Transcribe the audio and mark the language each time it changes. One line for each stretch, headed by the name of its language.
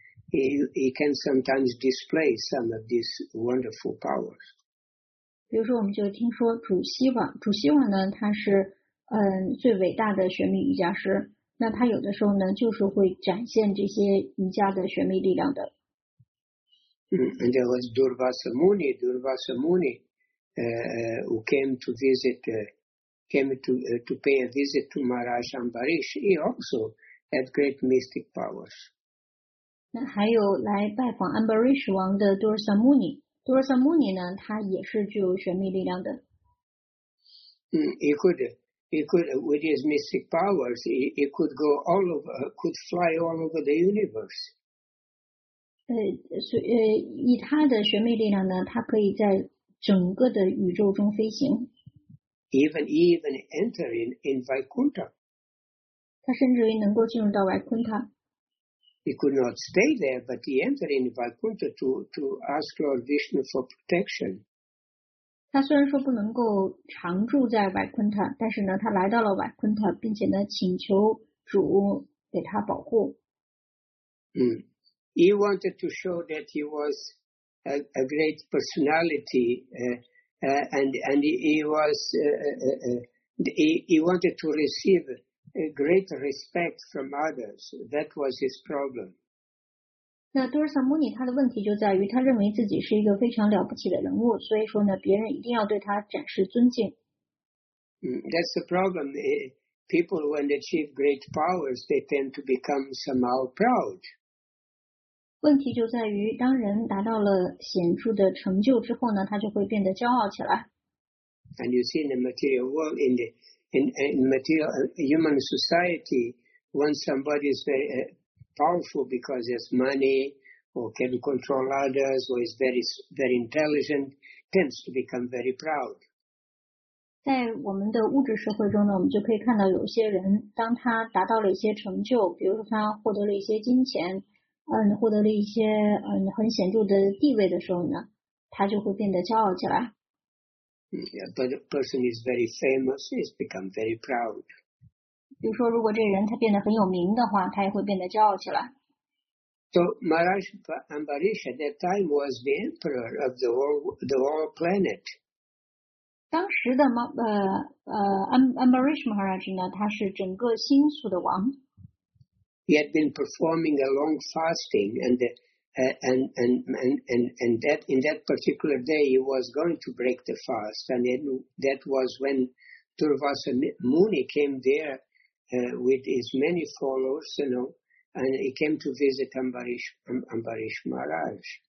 English: He can sometimes display some of these wonderful powers.
Chinese: 比如说我们就听说主希瓦，主希瓦呢他是最伟大的玄秘瑜伽师，那他有的时候呢就是会展现这些瑜伽的玄秘力量的。
English: And there was Durvasa Muni, who came to pay a visit to Maharaj Ambarish, he also had great mystic powers.
Chinese: 那还有来拜访安巴瑞什王的 Durvasa Muni。多尔萨穆尼呢，他也是具有玄秘力量的。
English: He could with his mystic powers, he could go all over, could fly all over the universe.
Chinese: 以他的玄秘力量呢，他可以在整个的宇宙中飞行。
English: Even enter in Vaikuntha.
Chinese: 他甚至于能够进入到 Vaikuntha。
English: He could not stay there, but he entered in Vaikuntha to ask Lord Vishnu for protection.
Chinese: 他虽然说不能够常住在 Vaikuntha, 但是呢，他来到了 Vaikuntha, 并且呢，请求主给他保护。
English: He wanted to show that he was a great personality, and he wanted to receive. A great respect from others, that was his problem.
Chinese: 那多尔萨穆尼他的问题就在于他认为自己是一个非常了不起的人物，所以说呢，别人一定要对他展示尊敬。
English: That's the problem. People, when they achieve great powers, they tend to become somehow proud.
Chinese: 问题就在于，当人达到了显著的成就之后呢，他就会变得骄傲起来。
English: And you see in the material world, in material human society, when somebody is very powerful because he has money, or can control others, or is very very intelligent, tends to become very proud.
Chinese: 在我们的物质社会中呢，我们就可以看到有些人，当他达到了一些成就，比如说他获得了一些金钱，获得了一些很显著的地位的时候呢，他就会变得骄傲起来。
English: Yeah, but a person is very famous, he's become very proud.
Chinese: 比如说，如果这人他变得很有名的话，他也会变得骄傲起来。
English: So Maharaj Ambarish at that time was the emperor of the whole planet.
Chinese: 当时的Ambarish Maharaj 呢，他是整个星宿的王。
English: He had been performing a long fasting, and in that particular day he was going to break the fast, and then that was when Durvasa Muni came there, with his many followers, you know, and he came to visit Ambarish Maharaj.